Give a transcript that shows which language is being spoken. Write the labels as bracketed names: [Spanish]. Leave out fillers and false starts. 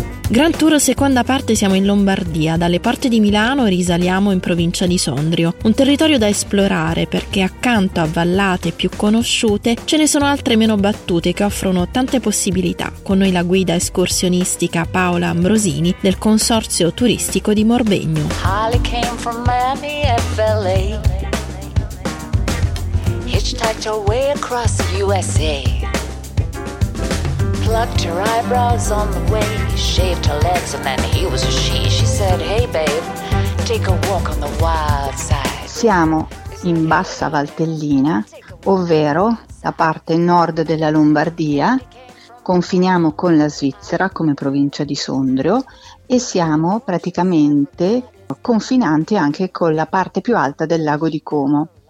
[Italian] Grand Tour seconda parte, siamo in Lombardia, dalle porte di Milano risaliamo in provincia di Sondrio. Un territorio da esplorare perché accanto a vallate più conosciute ce ne sono altre meno battute che offrono tante possibilità. Con noi la guida escursionistica Paola Ambrosini del Consorzio Turistico di Morvegno. [English] Holly came from Miami, FLA. Hitchhiked her way across the USA. Plucked her eyebrows on the way, shaved her legs, and then he was a she. She said, hey babe, take a walk on the wild side. [Italian] Siamo in Bassa Valtellina, ovvero la parte nord della Lombardia. Confiniamo con la Svizzera come provincia di Sondrio e siamo praticamente confinanti anche con la parte più alta del lago di Como.